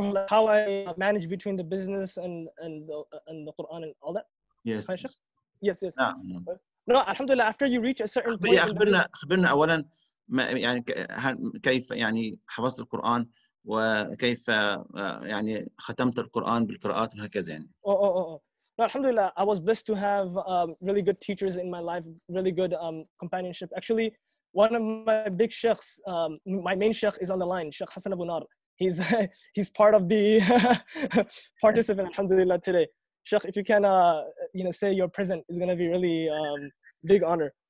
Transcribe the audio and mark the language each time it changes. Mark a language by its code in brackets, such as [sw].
[en] how I manage between the business and the Quran and all that yes [ar] نعم [en] No, alhamdulillah, after you reach a certain point... [ar] أخبرنا أولاً ما يعني كيف يعني حفظت القرآن وكيف يعني ختمت القرآن بالقراءات وهكذا يعني. [en] No, alhamdulillah, I was blessed to have really good teachers in my life, really good companionship. Actually, one of my big sheikhs, my main sheikh is on the line, Sheikh Hassan Abu Nar. He's part of the participant, alhamdulillah, today. Sheikh, if you can, you know, say your present is going to be really big honor.